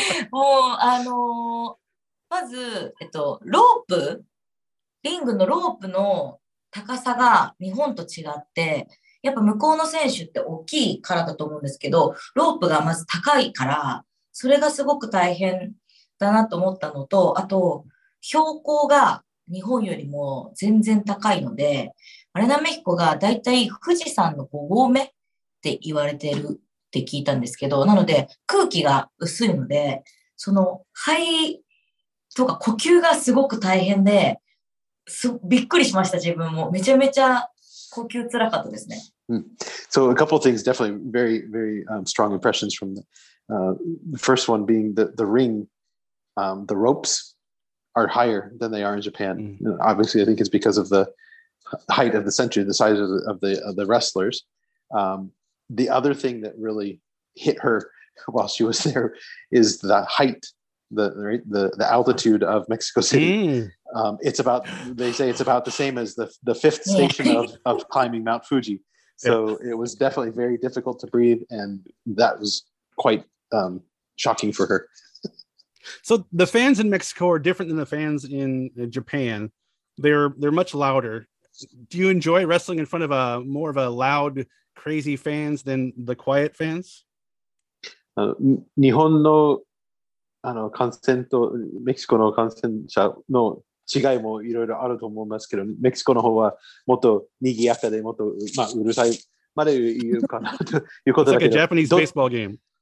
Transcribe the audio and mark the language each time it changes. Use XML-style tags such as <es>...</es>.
<ja>もう、まず、ロープ、リングのロープの高さが日本と違って、やっぱ向こうの選手って大きいからだと思うんですけど、ロープがまず高いから、それがすごく大変だなと思ったのと、あと、標高が、日本よりも全然高いので、アレナメヒコがだいたい富士山の5合目って言われてるって聞いたんですけど、なので空気が薄いので、その肺とか呼吸がすごく大変で、びっくりしました、自分も。めちゃめちゃ呼吸つらかったですね。</ja> <en>So a couple of things, definitely very, very strong impressions from the first one being the ring, the ropes. Are higher than they are in Japan. Mm-hmm. Obviously, I think it's because of the height of the century, the size of the wrestlers. the other thing that really hit her while she was there is the height, the altitude of Mexico City. Mm. It's about, they say it's about the same as the fifth station of climbing Mount Fuji. So it was definitely very difficult to breathe, and that was quite shocking for her. So the fans in Mexico are different than the fans in Japan. They're much louder. Do you enjoy wrestling in front of a more of a loud, crazy fans than the quiet fans?</en> <ja>日本のあの感染とメキシコの感染者の違いもいろいろあると思いますけど、メキシコの方はもっと賑やかでもっとまあうるさいまで言うかなということだけど。</ja> <en>It's like a Japanese baseball game.</en>